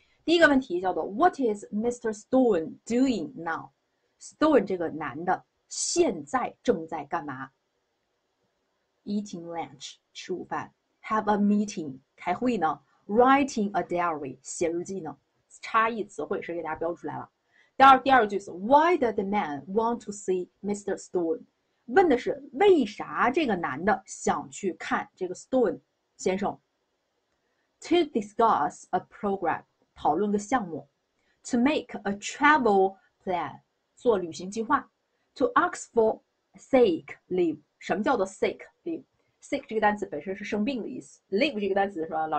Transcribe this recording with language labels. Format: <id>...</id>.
<zh>第一个问题叫做</zh> <en>"What is Mr. Stone doing now？"</en> <zh>Stone 这个男的现在正在干嘛？</zh> <en>Eating lunch</en> <zh>吃午饭，</zh> <en>have a meeting</en> <zh>开会呢，</zh> <en>writing a diary</en> <zh>写日记呢。差异词汇是给大家标出来了。第二句是</zh> <en>"Why does the man want to see Mr. Stone？"</en> <zh>问的是为啥这个男的想去看这个 Stone 先生？</zh> <en>To discuss a program。</en> <zh>讨论个项目，</zh> <en>to make a travel plan，</en> <zh>做旅行计划，</zh> <en>to ask for sick leave，</en> <zh>什么叫做 sick leave？sick 这个单词本身是生病的意思，leave 这个单词是吧？</zh>